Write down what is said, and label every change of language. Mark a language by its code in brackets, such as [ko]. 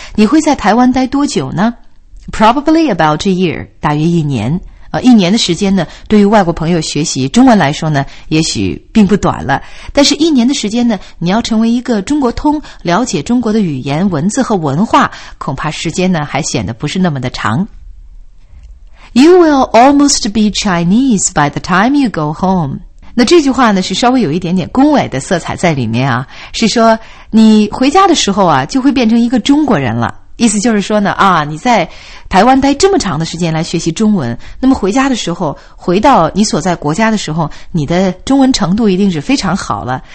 [zh] 你会在台湾待多久呢？ [en] Probably about a year, [zh] 大约一年。一年的时间呢，对于外国朋友学习中文来说呢，也许并不短了。但是一年的时间呢，你要成为一个中国通，了解中国的语言、文字和文化，恐怕时间呢还显得不是那么的长。 [en] You will almost be Chinese by the time you go home. [zh] 那这句话呢，是稍微有一点点恭维的色彩在里面啊，是说你回家的时候啊，就会变成一个中国人了。意思就是说呢，啊，你在台湾待这么长的时间来学习中文，那么回家的时候，回到你所在国家的时候，你的中文程度一定是非常好了。